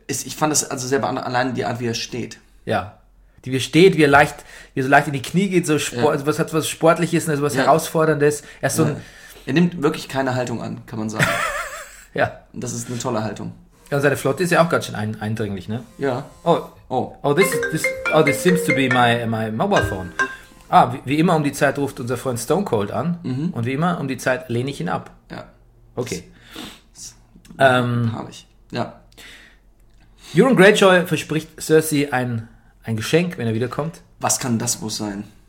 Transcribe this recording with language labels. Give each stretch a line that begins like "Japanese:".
German: Ich fand das also sehr beeindruckend, allein die Art, wie er steht. Ja. die wie steht, wie er leicht, wie er so leicht in die Knie geht, so Sport, ja. Was hat was Sportliches, also was ja. Herausforderndes. Er ist so ja. Er nimmt wirklich keine Haltung an, kann man sagen. Ja. Und das ist eine tolle Haltung. Ja, seine Flotte ist ja auch ganz schön eindringlich, ne? Ja.
English: This seems to be my mobile phone.
German: Ah, wie immer um die Zeit ruft unser Freund Stone Cold an. Mhm. Und wie immer um die Zeit lehne ich ihn ab. Ja. Okay. Habe ich. Ja. Euron Greyjoy verspricht Cersei ein Geschenk, wenn er wiederkommt. Was kann das wohl sein?